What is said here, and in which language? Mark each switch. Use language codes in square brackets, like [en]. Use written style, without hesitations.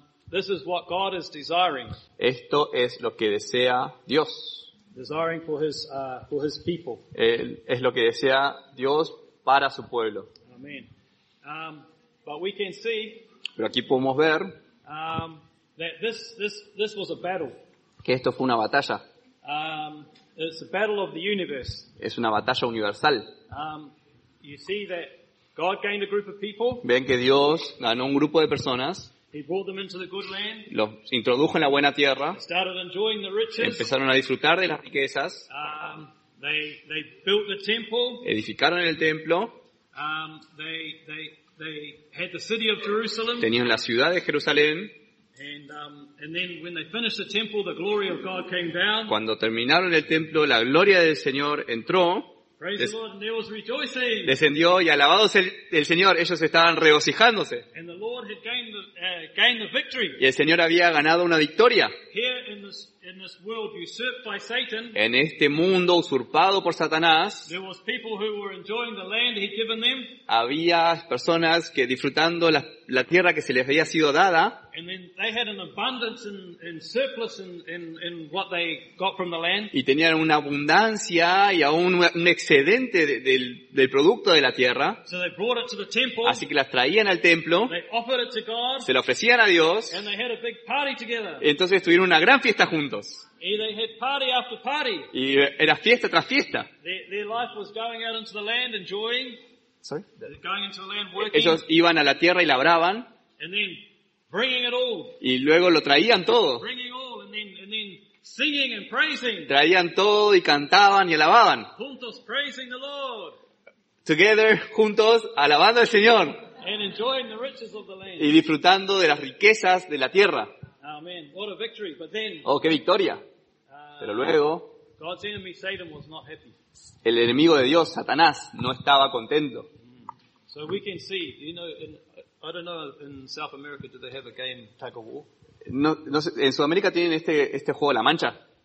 [en] This is what God is desiring. [es] Esto es lo que desea Dios. [en] Desiring for his people. [es] Es lo que desea Dios para su pueblo. [en] Amén. But we can see, [es] pero aquí podemos ver, [en] that this was a battle. [es] Que esto fue una batalla. [en] It's a battle of the universe. [es] Es una batalla universal. [en] You see that God gained a group of people. [es] Ven que Dios ganó un grupo de personas. [en] He brought them into the good land. [es] Los introdujo en la buena tierra. [en] Started enjoying the riches. [es] Empezaron a disfrutar de las riquezas. [en] They built the temple. [es] Edificaron el templo. [en] They had the city of Jerusalem. [es] Tenían la ciudad de Jerusalén. [en] And then when they finished the temple, the glory of God came down. [es] Cuando terminaron el templo, la gloria del Señor entró. [en] Praise the Lord, and there was rejoicing. [es] Descendió y alabado sea el Señor, ellos estaban regocijándose. [en] And the Lord had gained the victory. [es] Y el Señor había ganado una victoria. [en] Here in this world usurped by Satan. [es] En este mundo usurpado por Satanás. [en] There was people who were enjoying the land he'd given them. [es] Había personas que disfrutando la tierra que se les había sido dada. [en] And then they had an abundance and surplus in what they got from the land. [es] Y tenían una abundancia y aún un excedente del producto de la tierra. [en] So they brought it to the temple. [es] Así que las traían al templo. [en] They offered it to God. [es] Se lo ofrecían a Dios. [en] And they had a big party together. [es] Entonces tuvieron una gran fiesta juntos. [en] And they had party after party. [es] Y era fiesta tras fiesta. [en] Their life was going out into the land enjoying. Sorry. Going into the land working. [es] Ellos iban a la tierra y labraban. [en] And then bringing it all. [es] Y luego lo traían todo. [en] Bringing all and then singing and praising. [es] Traían todo y cantaban y alababan. [en] Juntos praising the Lord. [es] Together, juntos alabando al Señor. [en] And enjoying the riches of the land. [es] Y disfrutando de las riquezas de la tierra. [en] Amen. What a victory. But then, [es] oh, qué victoria. Pero luego, [en] God's enemy, Satan, was not happy. [es] El enemigo de Dios, Satanás, no estaba contento. [en] So we can see, you know, I don't know, in South America, do they have a game tug of war? [es] No sé, en Sudamérica tienen este juego la mancha.